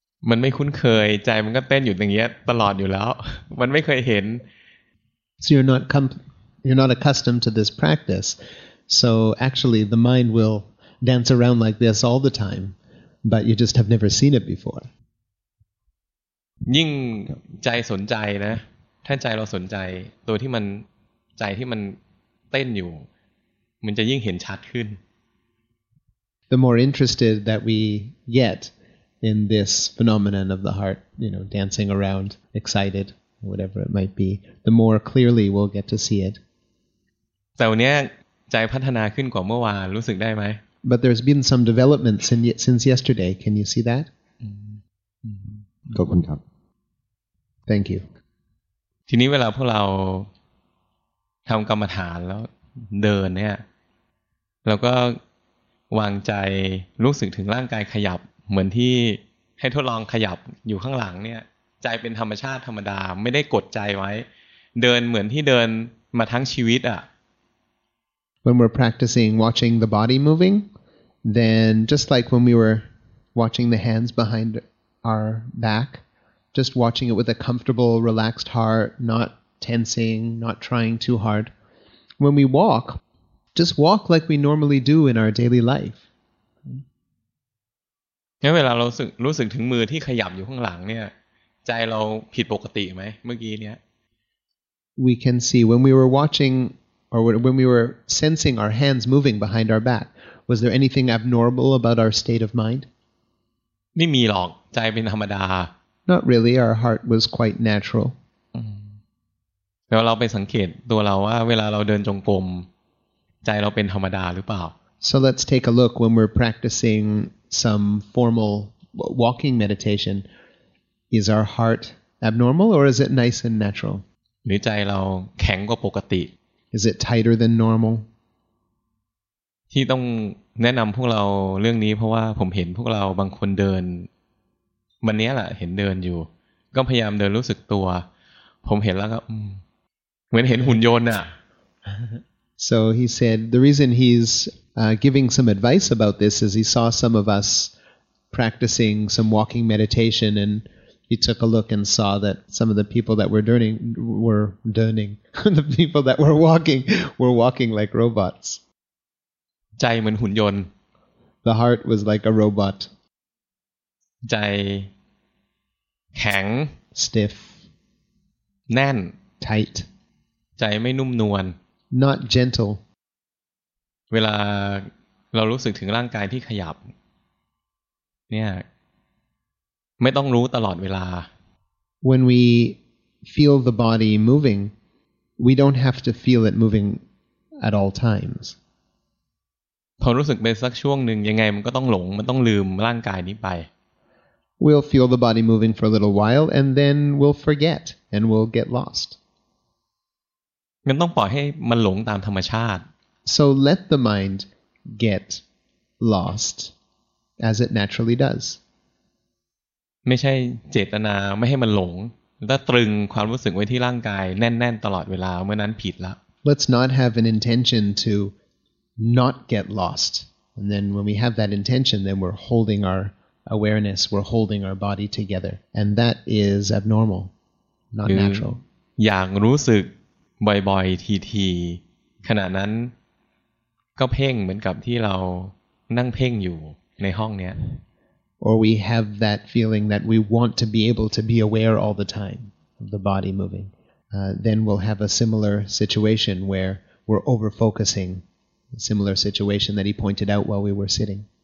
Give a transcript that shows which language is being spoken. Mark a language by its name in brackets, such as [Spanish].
[Thai] มันไม่คุ้นเคยใจมันก็เต้นอยู่อย่างเงี้ยตลอดอยู่แล้วมันไม่เคยเห็น [English] so you're not accustomed to this practice so actually the mind will dance around like this all the time but you just have never seen it before [Thai] ยิ่งใจสนใจนะถ้าใจเราสนใจตัวที่มันใจที่มันเต้นอยู่มันจะยิ่งเห็นชัดขึ้น [English] The more interested that we get in this phenomenon of the heart, you know, dancing around, excited, whatever it might be, the more clearly we'll get to see it. [Thai] แต่วันนี้ใจพัฒนาขึ้นกว่าเมื่อวานรู้สึกได้ไหม [English] But there's been some development since yesterday. Can you see that? [Thai] ขอบคุณครับ [English] Thank you [Thai] ทีนี้เวลาพวกเราทำกรรมฐานแล้วเดินเนี่ยเราก็วางใจรู้สึกถึงร่างกายขยับเหมือนที่ให้ทดลองขยับอยู่ข้างหลังเนี่ยใจเป็นธรรมชาติธรรมดาไม่ได้กดใจไว้เดินเหมือนที่เดินมาทั้งชีวิตอ่ะ [English] When we're practicing watching the body moving then just like when we were watching the hands behindOur back, just watching it with a comfortable, relaxed heart, not tensing, not trying too hard. When we walk, just walk like we normally do in our daily life. When we feel the hands that are moving behind, our heart is abnormal. We can see when we were watching or when we were sensing our hands moving behind our back. Was there anything abnormal about our state of mind? [Thai] ไม่มีหรอกใจเป็นธรรมดา [English] Not really our heart was quite natural [Thai] แล้วเราไปสังเกตตัวเราว่าเวลาเราเดินจงกรมใจเราเป็นธรรมดาหรือเปล่า [English] So let's take a look when we're practicing some formal walking meditation is our heart abnormal or is it nice and natural [Thai] หรือใจเราแข็งกว่าปกติ [English] Is it tighter than normal [Thai] ที่ต้องแนะนำพวกเราเรื่องนี้เพราะว่าผมเห็นพวกเราบางคนเดินวันนี้แหละเห็นเดินอยู่ก็พยายามเดินรู้สึกตัวผมเห็นแล้วก็เหมือนเห็นหุ่นยนต์อ่ะ [English] So he said the reason he's giving some advice about this is he saw some of us practicing some walking meditation and he took a look and saw that some of the people that were doing the people that were walking like robots. [Thai] ใจเหมือนหุ่นยนต์ [English] The heart was like a robot [Thai] ใจแข็ง [English] stiff [Thai] แน่น [English] tight [Thai] ใจไม่นุ่มนวล [English] not gentle [Thai] เวลาเรารู้สึกถึงร่างกายที่ขยับเนี่ยไม่ต้องรู้ตลอดเวลา [English] When we feel the body moving we don't have to feel it moving at all times [Thai] พอรู้สึกไปสักช่วงหนึ่งยังไงมันก็ต้องหลงมันต้องลืมร่างกายนี้ไป [English] We'll feel the body moving for a little while and then we'll forget and we'll get lost [Thai] มันต้องปล่อยให้มันหลงตามธรรมชาติ [English] So let the mind get lost as it naturally does [Thai] ไม่ใช่เจตนาไม่ให้มันหลงแล้วตรึงความรู้สึกไว้ที่ร่างกายแน่นๆตลอดเวลาเมื่อนั้นผิดละ [English] Let's not have an intention toNot get lost, and then when we have that intention, then we're holding our awareness, we're holding our body together, and that is abnormal, not natural. [Thai] อย่างรู้สึกบ่อยๆทีขณะนั้นก็เพ่งเหมือนกับที่เรานั่งเพ่งอยู่ในห้องเนี้ย [English] Or we have that feeling that we want to be able to be aware all the time of the body moving. Then we'll have a similar situation where we're over focusing. Similar situation that he pointed out while we were sitting.